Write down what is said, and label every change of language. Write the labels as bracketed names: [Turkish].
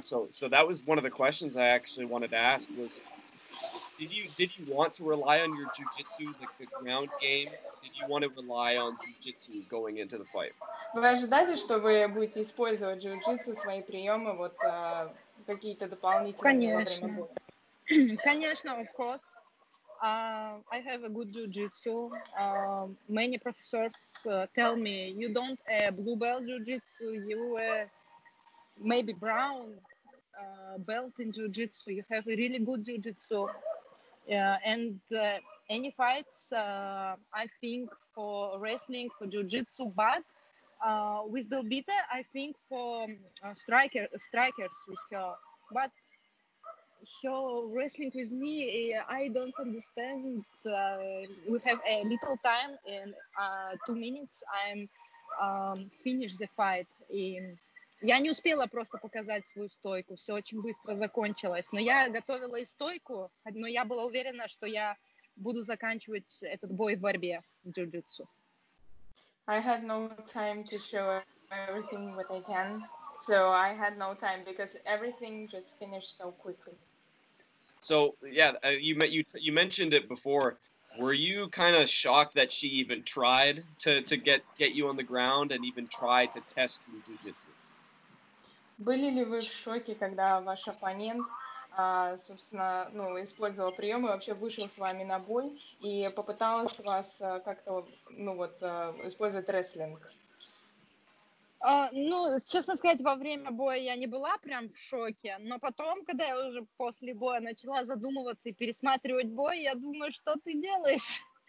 [English] So that was one of the questions I actually wanted to ask was, did you want to rely on your jiu-jitsu, like the ground game? Did you want to rely on jiu-jitsu going into the fight? [Russian] Вы ожидали, что вы будете использовать джиу-джитсу, свои приемы, вот какие-то дополнительные? Конечно. Конечно, [English] of course. I have a good jiu-jitsu. Many professors tell me, you don't a blue belt jiu-jitsu, you maybe brown belt in jiu-jitsu. You have a really good jiu-jitsu. Any fights, I think for wrestling, for jiu-jitsu, but with Belbita, I think for strikers with her. But her wrestling with me, I don't understand. We have a little time in 2 minutes. I'm finish the fight. [Russian] Я не успела просто показать свою стойку, все очень быстро закончилось. Но я готовила и стойку, но я была уверена, что я буду заканчивать этот бой в борьбе в джиу-джитсу. [English] I had no time to show everything what I can. So I had no time, because everything just finished so quickly. So, yeah, you mentioned it before. Were you kind of shocked that she even tried to get you on the ground and even try to test your jiu-jitsu? [Russian] Были ли вы в шоке, когда ваш оппонент, собственно, ну, использовал приемы, вообще вышел с вами на бой и попытался вас как-то, ну вот, использовать рестлинг? Ну, честно сказать, во время боя я не была прям в шоке, но потом, когда я уже после боя начала задумываться и пересматривать бой, я думаю, что ты делаешь?